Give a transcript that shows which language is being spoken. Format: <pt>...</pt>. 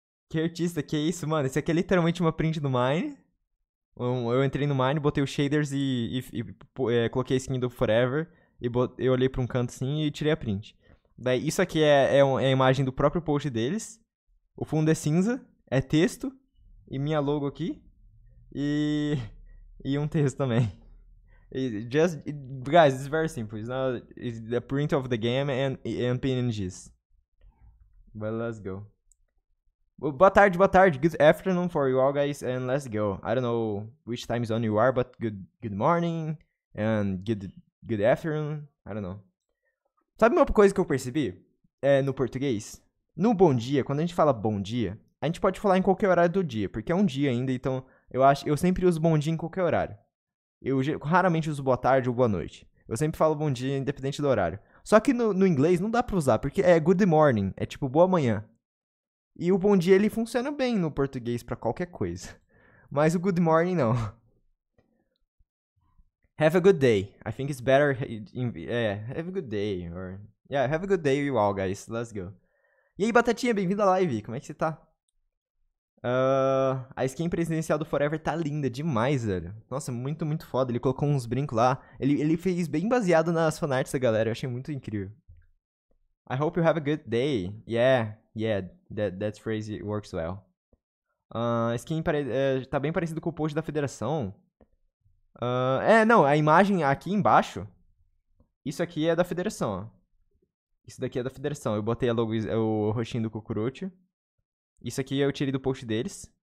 <pt>Que artista, que é isso, mano? Esse aqui é literalmente uma print do Mine. Eu entrei no Mine, botei os shaders e coloquei a skin do Forever. E botei, eu olhei pra um canto assim e tirei a print. Daí, isso aqui é a imagem do próprio post deles. O fundo é cinza, é texto, e minha logo aqui, e um texto também.</pt> <en>Guys, it's very simple. It's the print of the game and PNGs. But let's go.</en> <pt>Boa tarde.</pt> <en>Good afternoon for you all, guys, and let's go. I don't know which time zone you are, but good morning and good afternoon. I don't know.</en> <pt>Sabe uma coisa que eu percebi? No português? No bom dia, quando a gente fala bom dia, a gente pode falar em qualquer horário do dia, porque é um dia ainda, então eu sempre uso bom dia em qualquer horário. Eu raramente uso boa tarde ou boa noite. Eu sempre falo bom dia independente do horário. Só que no inglês não dá pra usar, porque é good morning, é tipo boa manhã. E o bom dia ele funciona bem no português para qualquer coisa. Mas o good morning não.</pt> <en>Have a good day. I think it's better have a good day or yeah, have a good day you all guys. Let's go.</en> <pt>E aí, Batatinha, bem-vindo à live. Como é que você tá? A skin presidencial do Forever tá linda demais, velho. Nossa, muito, muito foda. Ele colocou uns brincos lá. Ele fez bem baseado nas fanarts da galera. Eu achei muito incrível.</pt> <en>I hope you have a good day. Yeah, that phrase works well.</en> <pt>Skin tá bem parecido com o post da federação. Não, a imagem aqui embaixo. Isso aqui é da federação, ó. Isso daqui é da federação. Eu botei a logo, o roxinho do Cucurucho. Isso aqui eu tirei do post deles.</pt>